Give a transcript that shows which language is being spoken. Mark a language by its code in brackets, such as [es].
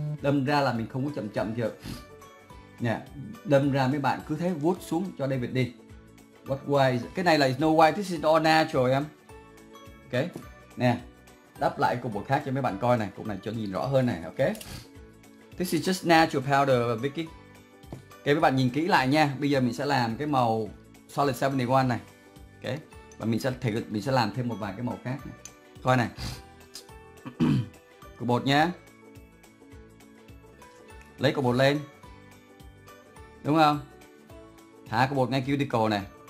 [vi] Đâm ra là mình không có chậm được. Nè, đâm ra mấy bạn cứ thế vuốt xuống cho David đi. [en] What way? [vi] Cái này là [en] no way, this is all natural [vi] em. Ok, nè, đắp lại cục bột khác cho mấy bạn coi này. Cục này cho nhìn rõ hơn này, ok. [en] This is just natural powder, Vicky. [vi] Ok, mấy bạn nhìn kỹ lại nha. Bây giờ mình sẽ làm cái màu Solid 71 này. Ok, và mình sẽ làm thêm một vài cái màu khác này. Coi này. Cục bột nha. Lấy cục bột lên, đúng không? Thả cái bột ngay cuticle này.